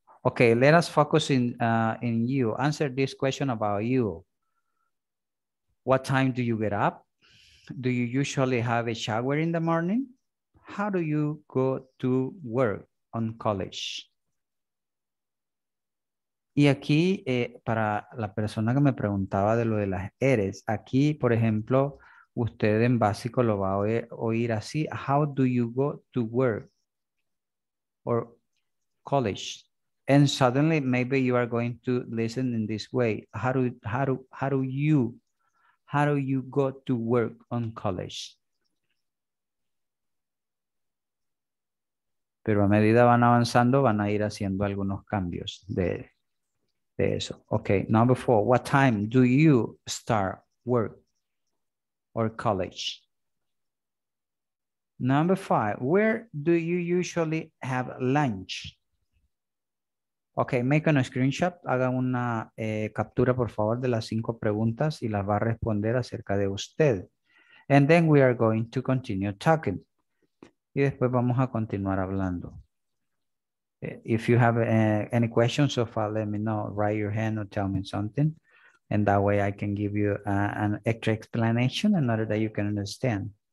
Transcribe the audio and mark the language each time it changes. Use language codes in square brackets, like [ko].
[en] Okay, let us focus in you. Answer this question about you. What time do you get up? Do you usually have a shower in the morning? How do you go to work on college? [es] Y aquí, para la persona que me preguntaba de lo de las eres, aquí, por ejemplo, usted en básico lo va a oír así. [en] How do you go to work or college? And suddenly, maybe you are going to listen in this way. How do you go to work on college? [es] Pero a medida van avanzando, van a ir haciendo algunos cambios de eso. [en] Okay, number four. What time do you start work or college? Number five. Where do you usually have lunch? Okay, make a screenshot. [es] Haga una captura, por favor, de las cinco preguntas y las va a responder acerca de usted. [en] And then we are going to continue talking. [es] Y después vamos a continuar hablando. [en] If you have any questions so far, let me know. Write your hand or tell me something. And that way I can give you an extra explanation in order that you can understand.